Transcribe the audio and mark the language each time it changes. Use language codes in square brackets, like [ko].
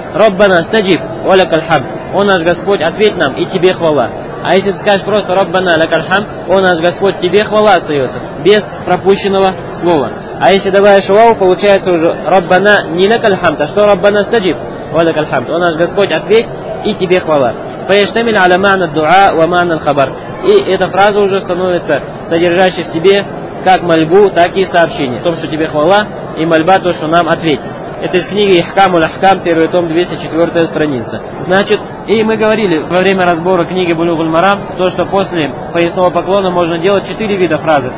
[ar] Раббана стаджиб уалякальхам, [ru] о наш Господь, ответь нам, и тебе хвала. А если ты скажешь просто [ar] Раббана лакальхам, [ru] о наш Господь, тебе хвала остается, без пропущенного слова. А если добавишь вау, получается уже Раббана не лакальхам, а что Раббана стаджиб, о лакальхам, о наш Господь, ответь, и тебе хвала. [ar] فيشتمل على معنى الدعاء ومعنى الخبر. [ru] И эта фраза уже становится содержащей в себе как мольбу, так и сообщение. О том, что тебе хвала, и мольба, то, что нам ответь. Это из книги «Ихкаму ляхкам», первый том, 204 страница. Значит, и мы говорили во время разбора книги «Булугуль Марам», то, что после поясного поклона можно делать четыре вида фразы.